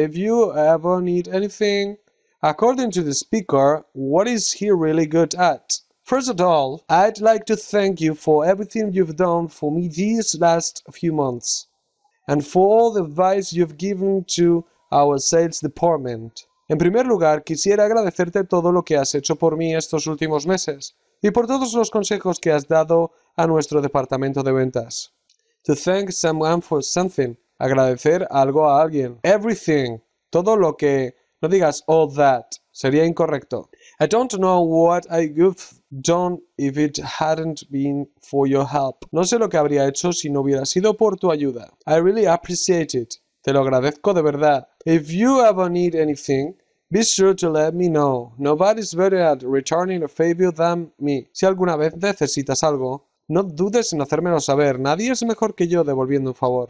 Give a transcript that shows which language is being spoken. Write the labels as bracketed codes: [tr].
[en] If you ever need anything. According to the speaker, what is he really good at? First of all, I'd like to thank you for everything you've done for me these last few months. And for all the advice you've given to our sales department. [es] En primer lugar, quisiera agradecerte todo lo que has hecho por mí estos últimos meses y por todos los consejos que has dado a nuestro departamento de ventas. [en] To thank someone for something. [es] Agradecer algo a alguien. Everything. Todo lo que... No digas [en] all that. [es] Sería incorrecto. [en] I don't know what I would have done if it hadn't been for your help. [es] No sé lo que habría hecho si no hubiera sido por tu ayuda. [en] I really appreciate it. [es] Te lo agradezco de verdad. [en] If you ever need anything, be sure to let me know. Nobody's better at returning a favor than me. [es] Si alguna vez necesitas algo, no dudes en hacérmelo saber. Nadie es mejor que yo devolviendo un favor.